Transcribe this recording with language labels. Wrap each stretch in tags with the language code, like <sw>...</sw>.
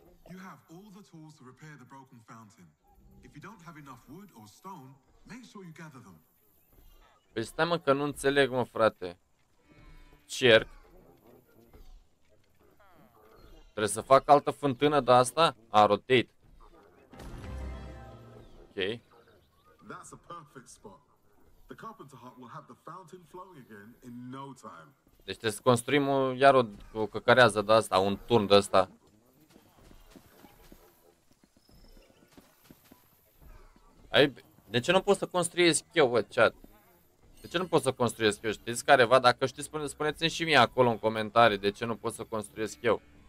<en>You have all the tools to repair the broken fountain. If you don't have enough wood or stone, make sure you gather them.</en> <ro>Păi stai, mă, că nu înțeleg, mă, frate. Cerc. Trebuie să fac altă fântână de asta?</ro> <en>Ah, rotate. Ok. That's a perfect spot. The carpenter hut will have the fountain flowing again in no time.</en> <ro>Deci trebuie să construim o, iar o, o căcărează de asta, un turn de asta. Ai, de ce nu pot să construiesc eu, bă, chat? De ce nu pot să construiesc eu? Știți careva? Dacă știți, spuneți-mi și mie acolo în comentarii de ce nu pot să construiesc eu.</ro>